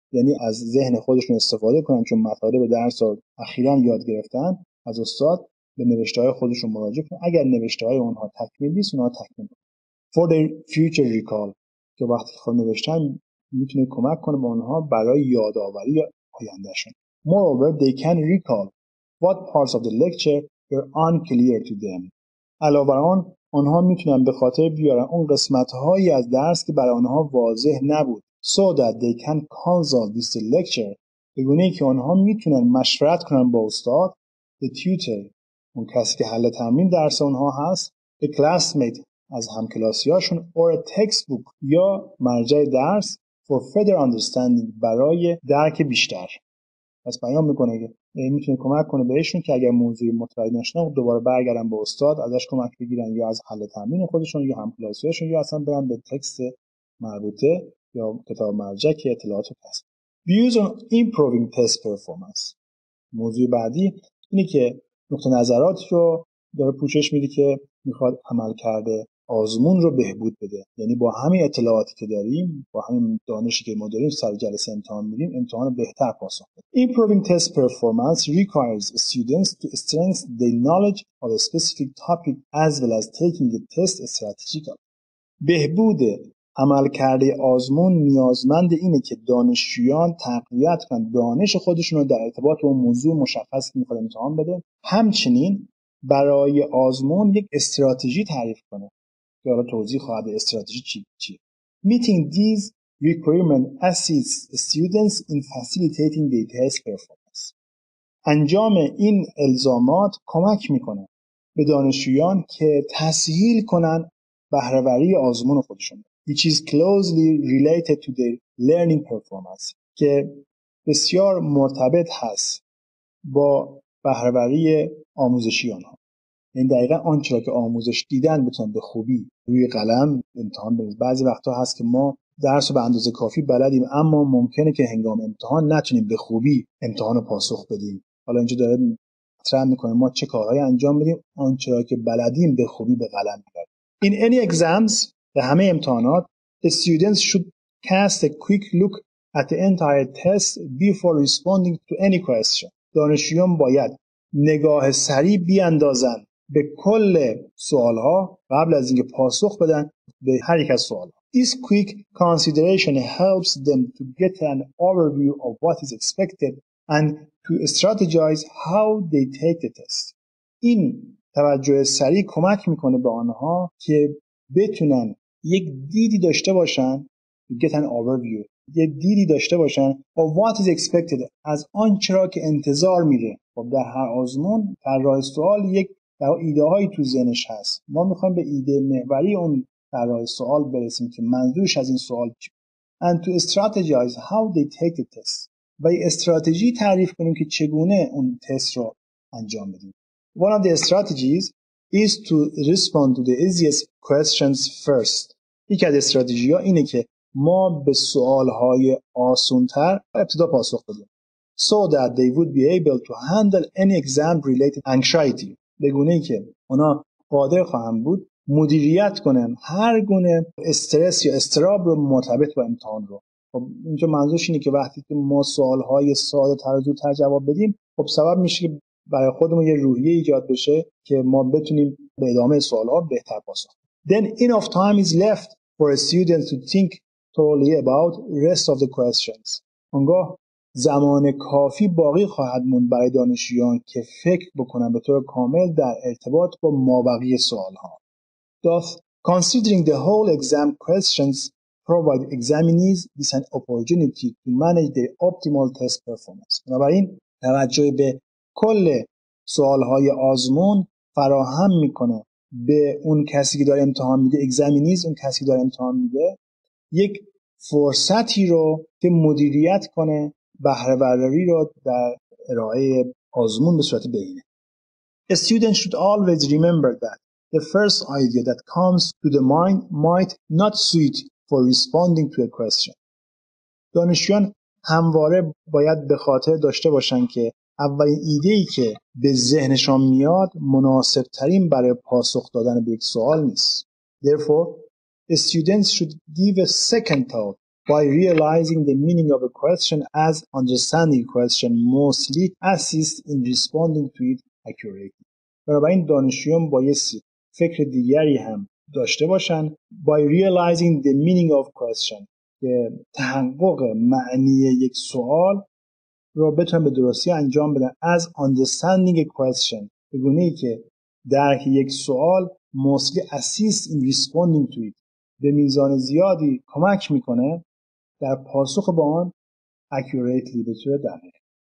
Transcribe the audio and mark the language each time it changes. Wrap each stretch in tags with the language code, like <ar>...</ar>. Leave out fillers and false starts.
<fa>یعنی از ذهن خودشون استفاده کنن، چون مطالب درس رو اخیراً یاد گرفتن از استاد، به نوشته های خودشون مراجعه کنن. اگر نوشته های اونها تکمیل نیست، اونها تکمیل کنن.</fa> <en>For the future recall،</en> <fa>که وقتی خود نوشتن میتونه کمک کنه به اونها برای یادآوری آیندهشون.</fa> <en>Moreover, they can recall what parts of the lecture were unclear to them.</en> <fa>علاوه بر آن، اونها میتونن به خاطر بیارن اون قسمت هایی از درس که برای اونها واضح نبود.</fa> <en>So that they can consult this lecture،</en> <fa>به گونه ای که اونها میتونن مشورت کنن با استاد،</fa> <en>the tutor،</en> <fa>اون کسی که حل تمرین درس اونها هست،</fa> <en>a classmate</en> <fa>از همکلاسی‌هاشون،</fa> <en>or a textbook</en> <fa>یا مرجع درس،</fa> <en>for further understanding</en> <fa>برای درک بیشتر. پس بیان میکنه که میتونه کمک کنه بهشون که اگر موضوعی متوجه نشدن دوباره برگردن به استاد ازش کمک بگیرن، یا از حل تمرین خودشون یا همکلاسی‌هاشون، یا اصلا برن به تکست مربوطه یا کتاب مرجع که اطلاعات رو کسب.</fa> <en>Views on improving test performance.</en> <fa>موضوع بعدی اینه که نقطه نظراتی رو داره پوشش میده که میخواد عمل کرده آزمون رو بهبود بده. یعنی با همین اطلاعاتی که داریم، با همین دانشی که ما داریم، سر جلسه امتحان میدیم، امتحان رو بهتر پاسخ بده.</fa> <en>Improving test performance requires students to strengthen their knowledge of a specific topic as well as taking the test strategically.</en> <fa>بهبود عمل کرده آزمون نیازمند اینه که دانشجویان تقویت کنن دانش خودشون رو در ارتباط با موضوع مشخص که میخواد امتحان بده، همچنین برای آزمون یک استراتژی تعریف کنه. حالا توضیح خواهد استراتژی چی؟</fa> <en>Meeting these requirements assists students in facilitating their test performance.</en> <fa>انجام این الزامات کمک میکنه به دانشجویان که تسهیل کنن بهره‌وری آزمون خودشون.</fa> <en>Which is closely related to the learning performance.</en> <fa>که بسیار مرتبط هست با بهره‌وری آموزشی آنها. این دقیقا آنچه که آموزش دیدن بتونن به خوبی روی قلم امتحان بدن. بعضی وقتا هست که ما درس رو به اندازه کافی بلدیم، اما ممکنه که هنگام امتحان نتونیم به خوبی امتحان رو پاسخ بدیم. حالا اینجا داره مطرح میکنه ما چه کارهایی انجام بدیم، آنچه که بلدیم به خوبی به قلم بیاریم.</fa> <en>In any exams،</en> <fa>در همه امتحانات،</fa> <en>the students should cast a quick look at the entire test before responding to any question.</en> <fa>دانشجویان باید نگاه سریع بیاندازن به کل سوالها قبل از اینکه پاسخ بدن به هر یک از سوالها.</fa> <en>This quick consideration helps them to get an overview of what is expected and to strategize how they take the test.</en> <fa>این توجه سریع کمک میکنه به آنها که بتونن یک دیدی داشته باشن،</fa> <en>get an overview،</en> <fa>یک دیدی داشته باشن</fa> <en>of what is expected،</en> <fa>از آنچرا که انتظار میره. خب در هر آزمون در راه سوال یک ایده هایی تو ذهنش هست، ما میخوایم به ایده محوری اون در راه سوال برسیم که منظورش از این سوال چیه.</fa> <en>And to strategize how they take the test،</en> <fa>و یه استراتژی تعریف کنیم که چگونه اون تست رو انجام بدیم.</fa> <en>One of the strategies is to respond to the easiest questions first.</en> <fa>یکی از استراتژی‌ها اینه که ما به سوال‌های آسان‌تر ابتدا پاسخ بدیم.</fa> <en>So that they would be able to handle any exam-related anxiety.</en> <fa>به گونه‌ای که اونا قادر خواهند بود مدیریت کنن هر گونه استرس یا استراب رو مرتبط با امتحان رو. خب اینجا منظورش اینه که وقتی که ما سوال‌های ساده‌تر رو تر جواب بدیم، خب سبب میشه که برای خودمون یه روحیه ایجاد بشه که ما بتونیم به ادامه سوال‌ها بهتر پاسخ بدیم.</fa> <en>Then enough time is left for a student to think totally about rest of the questions.</en> <fa>آنگاه زمان کافی باقی خواهد موند برای دانشجویان که فکر بکنن به طور کامل در ارتباط با مابقی سوال‌ها.</fa> <en>Thus, considering the whole exam questions provide examinees with an opportunity to manage their optimal test performance.</en> <fa>بنابراین توجه به کل سوال‌های آزمون فراهم می‌کنه به اون کسی که داره امتحان میده، examinees اون کسی که داره امتحان میده، یک فرصتی رو که مدیریت کنه بهره‌برداری رو در ارائه آزمون به صورت بهینه.</fa> <en>A student should always remember that the first idea that comes to the mind might not suit for responding to a question.</en> <fa>دانشجویان همواره باید به خاطر داشته باشن که اولین ایده‌ای که به ذهنشان میاد مناسب ترین برای پاسخ دادن به یک سوال نیست.</fa> <en>Therefore, the students should give a second thought by realizing the meaning of a question as understanding question mostly assists in responding to it accurately.</en> <fa>بنابراین دانشجویان بایستی فکر دیگری هم داشته باشن</fa> <en>by realizing the meaning of question</en> <fa>که تحقق معنی یک سوال رو بتونن به درستی انجام بدن</fa> <en>as understanding a question</en> <fa>به گونه ای که درک یک سوال</fa> <en>mostly assists in responding to it</en> <fa>به میزان زیادی کمک میکنه در پاسخ با آن</fa> <en>accurately</en> <fa>به طور دقیق.</fa>